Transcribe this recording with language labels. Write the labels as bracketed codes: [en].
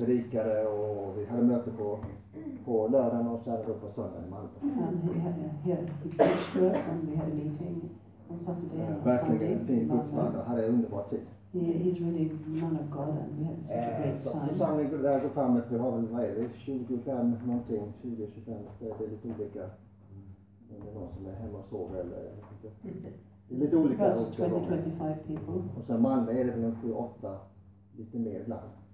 [sv] Vi predikade och vi hade möte på lördagen och så hade vi på söndagen i Malmö. [en] He preached to us and we had a meeting on Saturday and on Sunday. [sv] Verkligen fin gudsman och hade en underbar tid. [en] He's really man of God, and we had such a great time. [sv] Så samlingen där går framåt. Vi har väl 25 någonting, 20-25. Det är lite olika. Det är någon som är hemma och sover eller lite olika. [en] About 20-25 people. [sv] Och sen Malmö är det väl 7-8, lite mer ibland.